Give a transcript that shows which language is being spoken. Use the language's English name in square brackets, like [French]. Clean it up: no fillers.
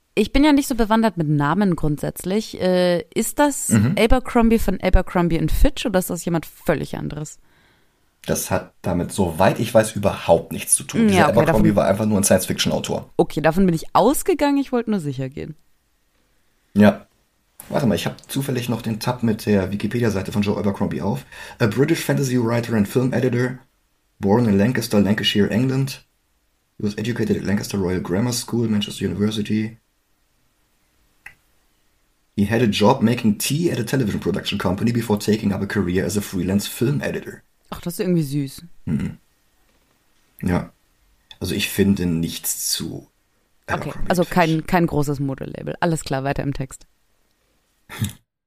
[German] Ich bin ja nicht so bewandert mit Namen grundsätzlich. Ist das Abercrombie von Abercrombie & Fitch oder ist das jemand völlig anderes? Das hat damit, soweit ich weiß, überhaupt nichts zu tun. Ja, Dieser okay, Abercrombie war einfach nur ein Science-Fiction-Autor. Okay, davon bin ich ausgegangen. Ich wollte nur sicher gehen. Ja. Warte mal, ich habe zufällig noch den Tab mit der Wikipedia-Seite von Joe Abercrombie auf. [English] A British Fantasy Writer and Film Editor, born in Lancaster, Lancashire, England. He was educated at Lancaster Royal Grammar School, Manchester University. He had a job making tea at a television production company before taking up a career as a freelance film editor. [German] Ach, das ist irgendwie süß. Hm. Ja. Also ich finde nichts zu Abercrombie. Okay, also kein großes Modelabel. Alles klar, weiter im Text.